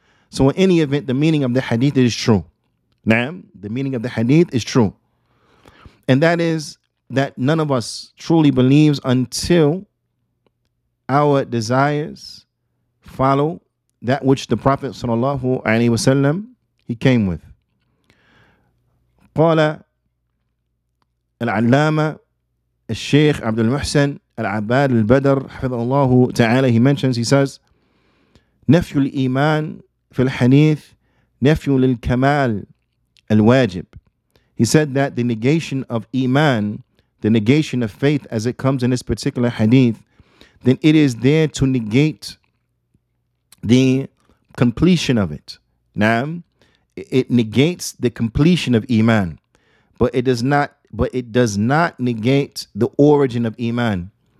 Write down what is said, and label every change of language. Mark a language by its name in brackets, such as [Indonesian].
[English] So in any event, the meaning of the hadith is true. Naam, the meaning of the hadith is true. And that is that none of us truly believes until our desires follow that which the Prophet sallallahu alaihi wasallam, he came with. [Arabic] قال العلامة الشيخ عبد المحسن العباد البدر حفظ الله تعالى, [English] he mentions, he says, [Arabic] نفي الإيمان في الحديث نفي للكمال الواجب. [English] He said that the negation of Iman, the negation of faith as it comes in this particular hadith, then it is there to negate the completion of it. Naam, it negates the completion of Iman, but it does not negate the origin of Iman.